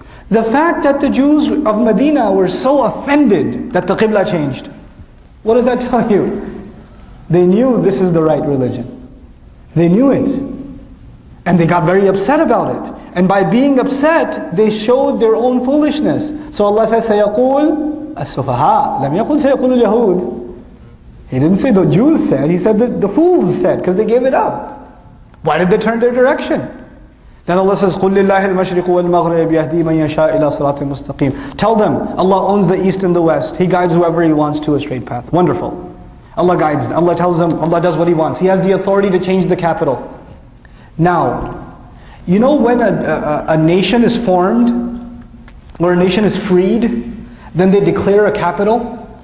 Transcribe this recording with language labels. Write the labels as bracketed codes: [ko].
[en] The fact that the Jews of Medina were so offended that the Qibla changed, what does that tell you? They knew this is the right religion. They knew it. And they got very upset about it. And by being upset, they showed their own foolishness. So Allah says, [ar] سَيَقُولْ أَسْفَهَا لَمْ يَقُلْ سَيَقُولُ الْيَهُودِ. [en] He didn't say the Jews said, he said the fools said, because they gave it up. Why did they turn their direction? Then Allah says, [ar] قُلْ لِلَّهِ الْمَشْرِقُ وَالْمَغْرِبِ يَهْدِي مَنْ يَشَاءُ إِلَىٰ صِرَاطٍ مُسْتَقِيمٍ. [en] Tell them, Allah owns the east and the west. He guides whoever He wants to a straight path. Wonderful. Allah guides them. Allah tells them, Allah does what He wants. He has the authority to change the capital. Now, you know when a nation is formed, or a nation is freed, then they declare a capital.